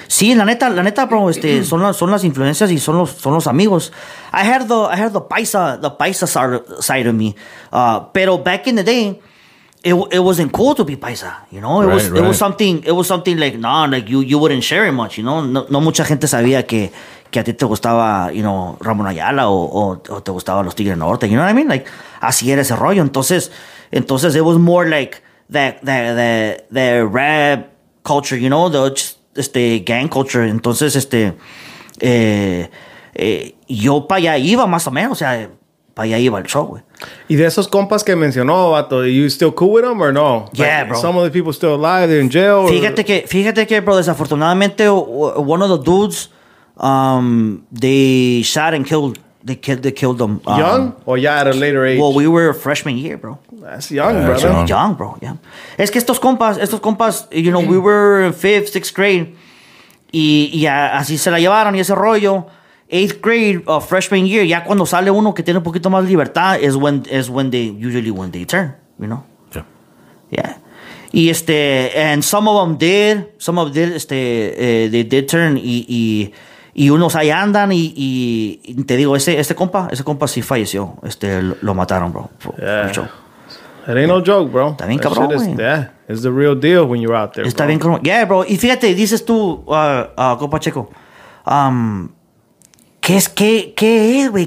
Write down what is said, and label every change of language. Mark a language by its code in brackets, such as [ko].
[es] Sí, la neta, bro, son las influencias y son los amigos. [en] I had the paisa side of me. [es] Pero [en] back in the day, it wasn't cool to be paisa, you know? It was something like, no, nah, like you wouldn't share it much, you know? [es] No mucha gente sabía que a ti te gustaba, [en] you know, [es] Ramón Ayala o te gustaban los Tigres Norte, [en] you know what I mean? Like, [es] así era ese rollo. Entonces [en] it was more like that rap culture, you know, gang culture. [es] Entonces, yo pa allá iba más o menos, o sea, pa allá iba el show, güey. Y de esos compas que mencionó, vato, [en] are you still cool with them or no? Yeah, like, bro. Some of the people still alive, they're in jail. [es] Fíjate que, [en] bro, [es] desafortunadamente, [en] one of the dudes, they shot and killed. They killed them. Young or yeah, at a later age. Well, we were freshman year, bro. That's young, brother. That's young, bro. Yeah. [es] Es que estos compas, [en] you know, we were in fifth, sixth grade, [es] y así se la llevaron y ese rollo. [en] eighth grade, freshman year, [es] ya cuando sale uno que tiene un poquito más libertad, [en] is when they turn, you know? Yeah. [es] Yeah. Y este, [en] and some of them did, [es] este, [en] they did turn, [es] y unos ahí andan, y te digo, ese compa sí falleció, este, lo mataron, bro. [en] Yeah. It ain't no joke, bro. [es] Está bien, cabrón. [en] It's the real deal when you're out there. [es] Está bien, cabrón. [en] Yeah, bro. [es] Y fíjate, dices tú, compa Checo, ¿qué es, güey?